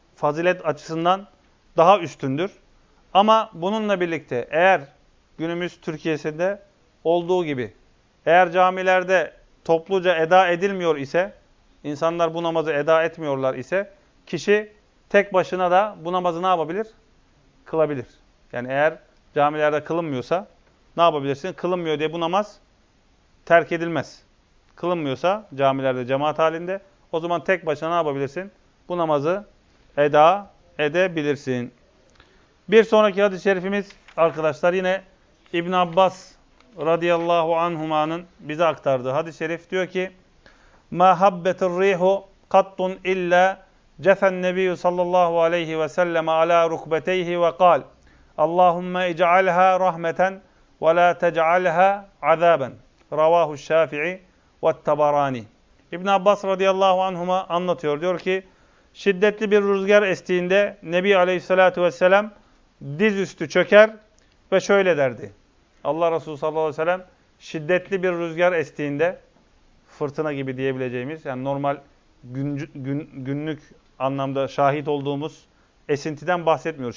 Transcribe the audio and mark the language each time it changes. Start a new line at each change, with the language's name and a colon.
Turkish: Fazilet açısından daha üstündür. Ama bununla birlikte eğer günümüz Türkiye'sinde olduğu gibi eğer camilerde topluca eda edilmiyor ise, insanlar bu namazı eda etmiyorlar ise kişi tek başına da bu namazı ne yapabilir? Kılabilir. Yani eğer camilerde kılınmıyorsa ne yapabilirsin? Kılınmıyor diye bu namaz terk edilmez. Kılınmıyorsa camilerde cemaat halinde o zaman tek başına ne yapabilirsin? Bu namazı eda edebilirsin. Bir sonraki hadis-i şerifimiz arkadaşlar yine İbn Abbas radıyallahu anhuma'nın bize aktardığı hadis-i şerif diyor ki
Arabic: مَا هَبَّتِ الرِّيْهُ قَطٌ إِلَّا جَفَ النَّبِيُّ صَلَّى اللّٰهُ عَلَيْهِ وَسَلَّمَ عَلَى رُكْبَتَيْهِ وَقَالْ اللّٰهُمَّ اِجْعَلْهَا رَحْمَةً وَلَا تَجْعَلْهَا عَذَابًا رَوَاهُ الشَّافِعِ وَالتَّبَرَانِ
Turkish: İbn Abbas radıyallahu anhuma anlatıyor. Diyor ki, şiddetli bir rüzgar estiğinde Nebi aleyhissalatu vesselam dizüstü çöker ve şöyle derdi. Allah Resulü sallallahu aleyhi ve sellem şiddetli bir rüzgar estiğinde fırtına gibi diyebileceğimiz, yani normal günlük anlamda şahit olduğumuz esintiden bahsetmiyoruz.